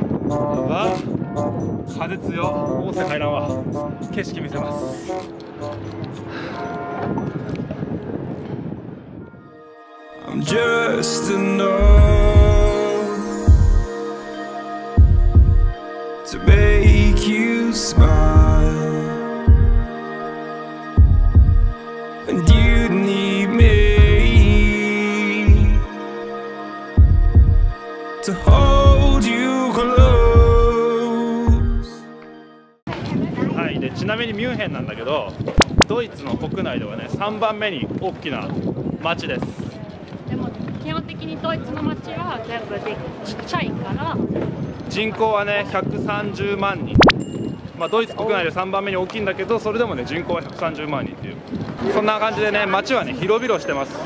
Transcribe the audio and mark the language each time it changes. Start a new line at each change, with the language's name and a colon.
Japanese: やば、風強。大瀬海岸は景色見せます。
English: I'm just a noTo make you smile, and you need me to hold you close.
Japanese: はい、でちなみにミュンヘンなんだけど、ドイツの国内ではね3番目に大きな町です。でも基本的にドイツの町は全部でちっちゃいから、人口はね130万人、まあ、ドイツ国内で3番目に大きいんだけど、それでもね人口は130万人っていう、そんな感じでね街はね広々してます。